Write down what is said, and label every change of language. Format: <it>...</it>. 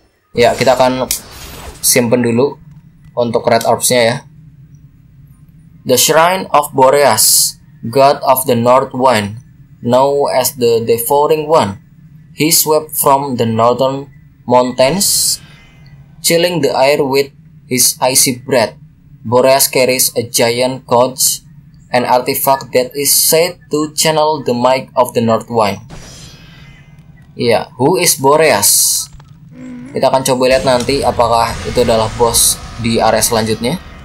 <id>Ya, kita akan simpen dulu untuk Red Orbs-nya ya.</id> <en>The Shrine of Boreas, God of the North Wind, known as the Devouring One. He swept from the northern mountains, chilling the air with his icy breath. Boreas carries a giant gauge, an artifact that is said to channel the might of the North Wind. Yeah, who is Boreas?</en> <id>Kita akan coba lihat nanti apakah itu adalah boss di area selanjutnya.</id>